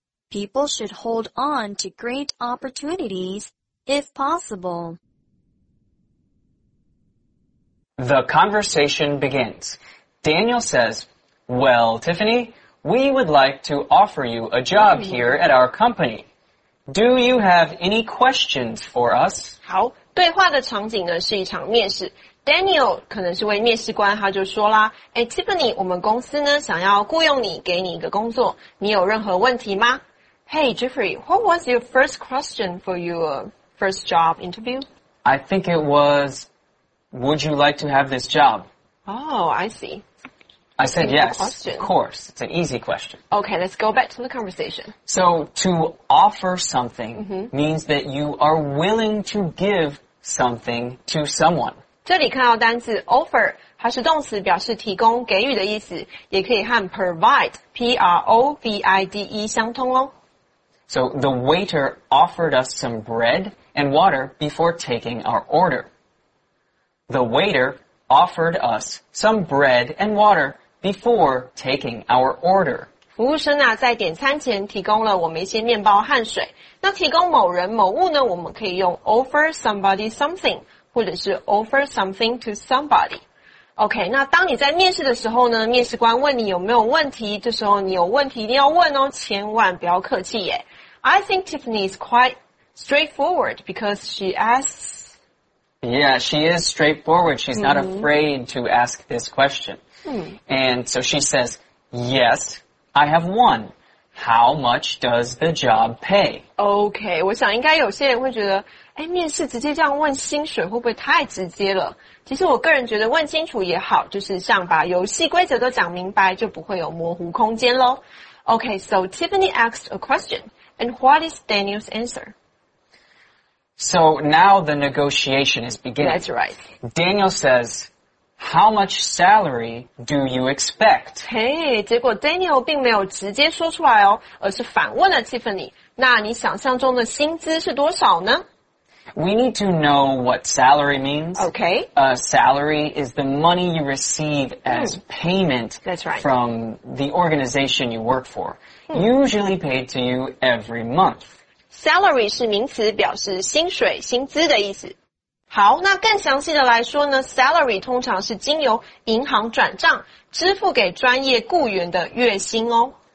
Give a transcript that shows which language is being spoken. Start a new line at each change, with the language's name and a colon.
English: People should hold on to great opportunities if possible. The conversation begins. Daniel says, Well, Tiffany, We would like to offer you a job here at our company. Do you have any questions for us?
Chinese: 好，对话的场景呢是一场面试。Daniel 可能是位面试官，他就说啦，诶 Tiffany， 我们公司呢想要雇佣你，给你一个工作，你有任何问题吗？
English: Hey Jeffrey, what was your first question for your first job interview? I think it was, would you like to have this job? Oh, I see. I said yes, of course. It's an easy question. Okay, let's go back to the conversation. So to offer something means that you are willing to give something to someone.
Chinese: 这里看到单字 offer， 它是动词，表示提供、给予的意思，也可以和 provide P-R-O-V-I-D-E 相通哦。
English: So the waiter offered us some bread and water before taking our order. The waiter offered us some bread and water before taking our order.
Chinese: 服务生啊，在点餐前提供了我们一些面包和水。那提供某人某物呢，我们可以用
English: offer somebody something。
Chinese: 或者是
English: offer something to somebody.
Chinese: OK, 那当你在面试的时候呢，面试官问你有没有问题，这时候你有问题一定要问哦，千万不要客气耶。
English: I think Tiffany is quite straightforward because she asks... Yeah, she is straightforward. She's not afraid to ask this question. And so she says, yes, I have one. How much does the job pay?
Chinese: OK, 我想应该有些人会觉得哎，面试直接这样问薪水会不会太直接了？其实我个人觉得问清楚也好，就是像把游戏规则都讲明白，就不会有模糊空间咯。
English: Okay, so Tiffany asked a question, and what is Daniel's answer? So now the negotiation is beginning. That's right. Daniel says, how much salary do you expect?
Chinese: Hey, 结果 Daniel 并没有直接说出来哦，而是反问了 Tiffany, 那你想象中的薪资是多少呢？
English: We need to know what salary means. Okay. Salary is the money you receive as payment. That's right. From the organization you work for. Usually paid to you every month.
Chinese: Salary 是名词，表示薪水、薪资的意思。好，那更详细的来说呢， salary 通常是经由银行转账，支付给专业雇员的月薪哦。